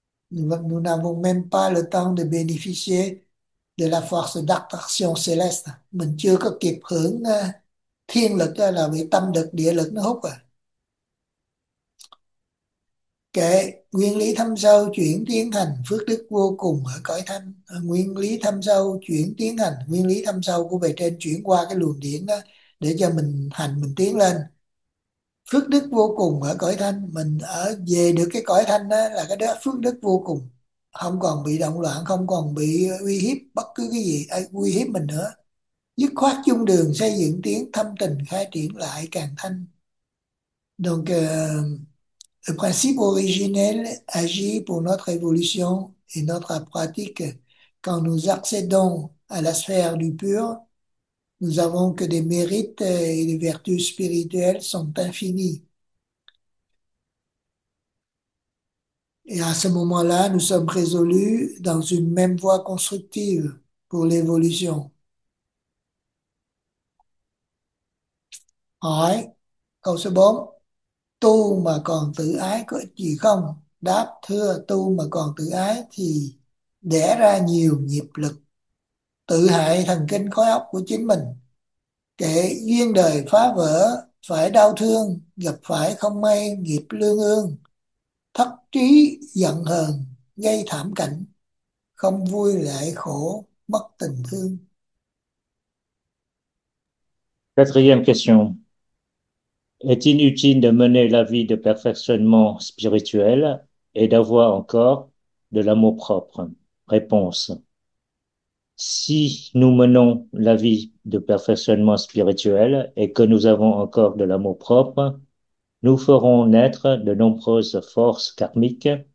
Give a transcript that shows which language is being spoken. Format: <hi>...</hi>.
<fr>Nous n'avons même pas le temps de bénéficier de la force d'attraction céleste.</fr> <vi>Mình chưa có kịp hưởng thiên lực, là bị tâm lực, địa lực nó hút rồi. Kệ nguyên lý thâm sâu chuyển tiến thành phước đức vô cùng ở cõi thanh. Nguyên lý thâm sâu chuyển tiến thành, nguyên lý thâm sâu của bề trên chuyển qua cái luồng điển đó để cho mình hành mình tiến lên. Phước đức vô cùng ở cõi thanh, mình ở về được cái cõi thanh đó là cái đó phước đức vô cùng, không còn bị động loạn, không còn bị uy hiếp bất cứ cái gì ai uy hiếp mình nữa, dứt khoát chung đường xây dựng tiến, thâm tình khai triển lại càn thanh.</vi> <fr>Donc le principe originel agit pour notre évolution et notre pratique. Quand nous accédons à la sphère du pur, nous avons que des mérites et les vertus spirituelles sont infinies. Et à ce moment-là, nous sommes résolus dans une même voie constructive pour l'évolution.</fr> <vi>Hỏi, câu số 4. Tu mà còn tự ái có ích gì không? Đáp, thưa, tu mà còn tự ái thì đẻ ra nhiều nghiệp lực, tự hại thần kinh khối óc của chính mình. Kể duyên đời phá vỡ, phải đau thương, gặp phải không may nghiệp lương ương, thất trí giận hờn gây thảm cảnh, không vui lại khổ, mất tình thương.</vi> <fr>Quatrième question. Est-il inutile de mener la vie de perfectionnement spirituel et d'avoir encore de l'amour-propre? Réponse. Si nous menons la vie de perfectionnement spirituel et que nous avons encore de l'amour-propre, nous ferons naître de nombreuses forces karmiques.</fr>